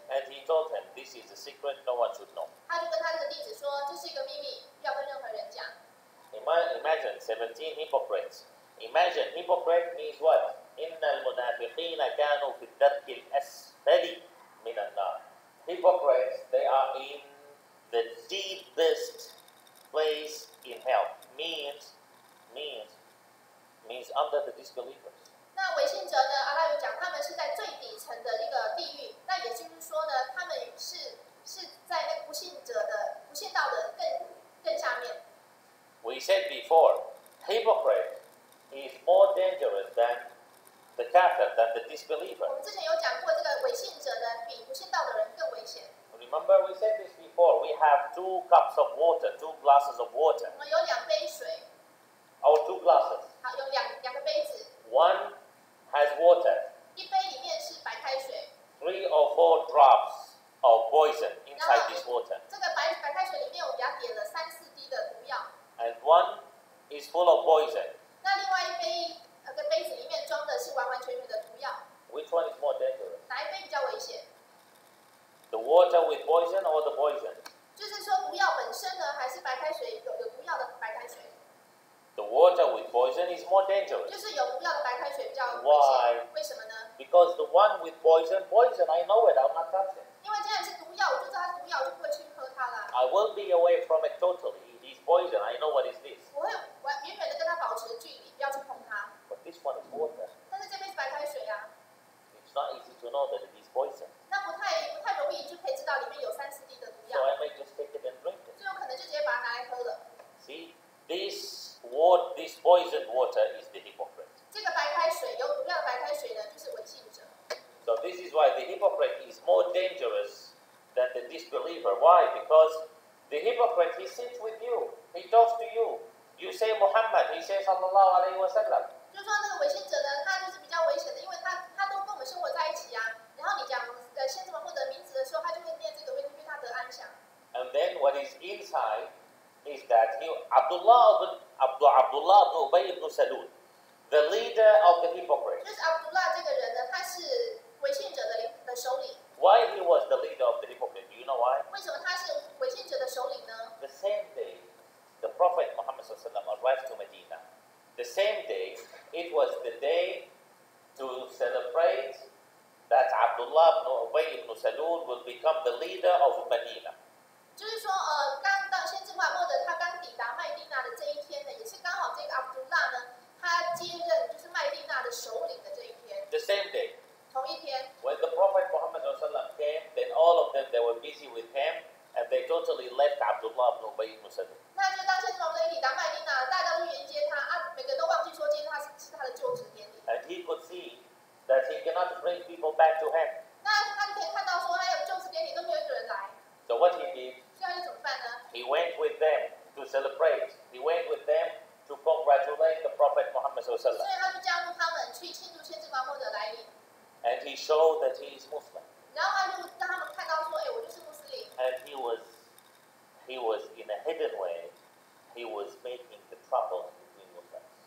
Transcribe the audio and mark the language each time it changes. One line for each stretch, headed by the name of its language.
English: And he told him, "This is a secret; no one should know."
Chinese: 他就跟他的弟子说，这是一个秘密，不要跟任何人讲。
English: Imagine 17 hypocrites. Imagine hypocrite means what?
Arabic: إِنَّ الْمُنَافِقِينَ كَانُوا فِي الدَّرْكِ الْأَسْفَلِ مِنَ النَّارِ.
English: Hypocrites, they are in the deepest place in hell. Means under the disbelievers.
Chinese: 那违信者呢？阿拉有讲，他们是在最底层的一个地狱。那也就是说呢，他们是在那个不信者的不信道的更下面。
English: We said before, hypocrite is more dangerous than the kafir, than the disbeliever.
Chinese: 我们之前有讲过，这个伪信者呢，比不信道的人更危险。
English: Remember, we said this before. We have two cups of water, two glasses of water.
Chinese: 我们有两杯水。
English: Our two glasses.
Chinese: 好，有两个杯子。
English: One has water.
Chinese: 一杯里面是白开水。
English: Three or four drops of poison inside this water.
Chinese: 这个白开水里面，我给它点了三四滴的毒药。
English: And one is full of poison.
Chinese: 那另外一杯的杯子里面装的是完完全全的毒药。
English: Which one is more dangerous?
Chinese: 哪一杯比较危险
English: ？The water with poison or the poison?
Chinese: 就是说毒药本身呢，还是白开水有毒药的白开水
English: ？The water with poison is more dangerous.
Chinese: 就是有毒药的白开水比较危险。
English: Why?
Chinese: 为什么呢
English: ？Because the one with poison, I know it. I'm not touching.
Chinese: 因为既然是毒药，我就知道它是毒药，我就不会去喝它了。
English: I will be away from it totally. Poison. I know what is this.
Chinese: 我会远远的跟他保持距离，不要去碰他。
English: But this one is water.
Chinese: 但是这杯是白开水啊。
English: It's not easy to know that it is poison.
Chinese: 那不太容易就可以知道里面有三四滴的毒药。
English: So I might just take it and drink it.
Chinese: 最有可能就直接把它拿来喝了。
English: See, this poisoned water is the hypocrite.
Chinese: 这个白开水有毒药的白开水呢，就是伪信者。
English: So this is why the hypocrite is more dangerous than the disbeliever. Why? Because the hypocrite, he sits with you. He talks to you. You say Muhammad, he says
Arabic: Sallallahu Alaihi Wasallam.
Chinese: 就说那个伪信者呢，他就是比较危险的，因为他都跟我们生活在一起啊。然后你讲先知穆罕默德名字的时候，他就会念这个为他的安详。
English: And then what is inside is that he Abdullah ibn Ubay ibn Salul, the leader of the hypocrites.
Chinese: 就是 Abdullah 这个人呢，他是伪信者的首领。
English: Why he was the leader of the hypocrites? Do you know why?
Chinese: 为什么他是伪信者的首领呢
English: ？The same day, the Prophet Muhammad
Arabic: صلى الله عليه وسلم
English: arrived to Medina. The same day, it was the day to celebrate that Abdullah ibn Ubay ibn Salul will become the leader of Medina.
Chinese: 就是说，刚到先知穆罕默德他刚抵达麦地那的这一天呢，也是刚好这个 Abdullah 呢，他接任就是麦地那的首领的这一天。
English: The same day.
Chinese: 同一天。
English: When the Prophet Muhammad came, then all of them they were busy with him, and they totally left Abdullah ibn Ubay ibn Salul.
Chinese: 那就当先知穆罕默德抵达麦地那，大家都迎接他啊，每个都忘记说今天是他的就职典礼。
English: And he could see that he cannot bring people back to him.
Chinese: 那他就可以看到说，还有就职典礼都没有一个人来。
English: So what he did?
Chinese: 现在怎么办呢
English: ？He went with them to celebrate. He went with them to congratulate the Prophet Muhammad
Arabic: صلى الله عليه وسلم.
Chinese: 所以他就加入他们去庆祝先知穆罕默德来临。
English: And he showed that he is Muslim.
Chinese: 然后他就让他们看到说，哎，我就是穆斯林。
English: And he was in a hidden way, he was making the trouble between Muslims.